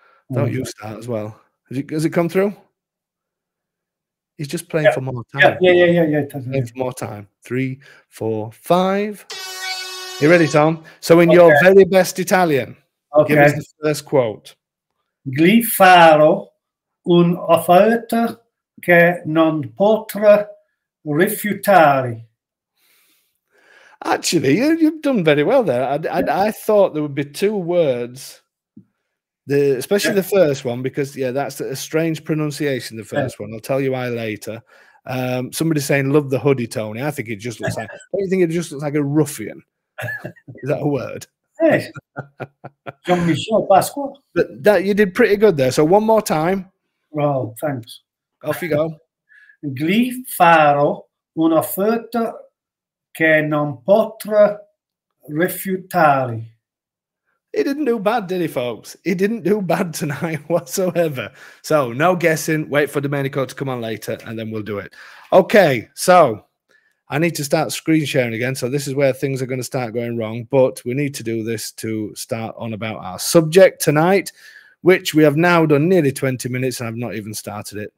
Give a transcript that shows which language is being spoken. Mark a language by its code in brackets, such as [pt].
[en] You start as well. Has it come through? He's just playing for more time. Yeah. For more time. 3, 4, 5. You ready, Tom? So in your very best Italian, give us the first quote. [it] Gli farò un'offerta che non potrà rifiutare. [en] Actually, you've done very well there. I thought there would be two words, especially the first one, because that's a strange pronunciation, the first one. I'll tell you why later. Somebody saying love the hoodie, Tony. I think it just looks like don't you think it just looks like a ruffian? Is that a word? Hey. Jean-Michel Pasqua. But that you did pretty good there. So one more time. Well, thanks. Off you go. [it] Gli farò un'offerta che non potrà rifiutare. [en] He didn't do bad, did he, folks? He didn't do bad tonight whatsoever. So no guessing. Wait for Domenico to come on later, and then we'll do it. Okay, so I need to start screen sharing again. So this is where things are going to start going wrong, but we need to do this to start on about our subject tonight, which we have now done nearly 20 minutes, and I've not even started it.